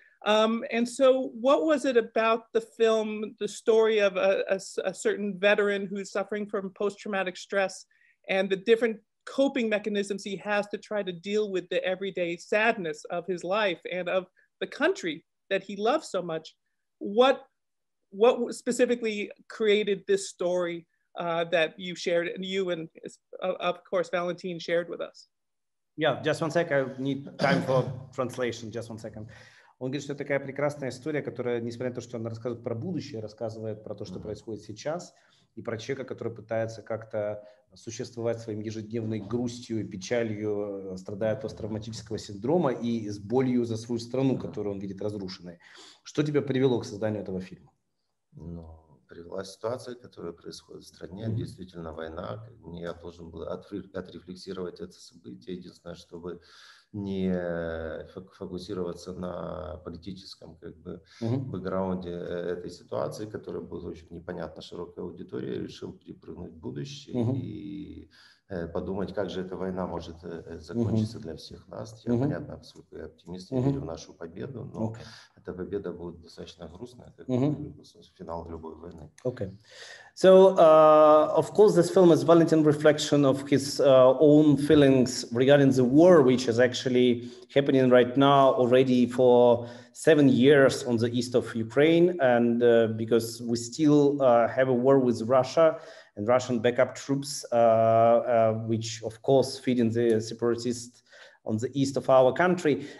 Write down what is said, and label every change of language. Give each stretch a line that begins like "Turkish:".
English: And so what was it about the film, the story of a certain veteran who's suffering from post-traumatic stress and the different coping mechanisms he has to try to deal with the everyday sadness of his life and of the country that he loves so much? What specifically created this story that you shared, and you and of course Valentyn shared with us? Yeah, just one sec, I need time for translation, just one second.
Russian: Он говорит, что такая прекрасная история, которая, несмотря на то, что она рассказывает про будущее, рассказывает про то, что происходит сейчас, и про человека, который пытается как-то существовать своим ежедневной грустью и печалью, страдая от посттравматического синдрома и с болью за свою страну, которую он видит разрушенной. Что тебя привело к созданию этого фильма? Ну, привела ситуация, которая происходит в стране, действительно война. Я должен был отрефлексировать это событие, единственное, чтобы не фокусироваться на политическом как бы бэкграунде этой ситуации, которая была очень непонятна широкой аудитории, решил перепрыгнуть в будущее и подумать, как же эта война может закончиться для всех нас. Я, понятно, поскольку я оптимист, я верю в нашу победу, но эта победа будет достаточно грустная, как финал любой войны.
English: Okay. So, of course, this film is Valentyn's reflection of his own feelings regarding the war, which is actually happening right now already for 7 years on the east of Ukraine. And because we still have a war with Russia and Russian backup troops, which, of course, feeding the separatists on the east of our country.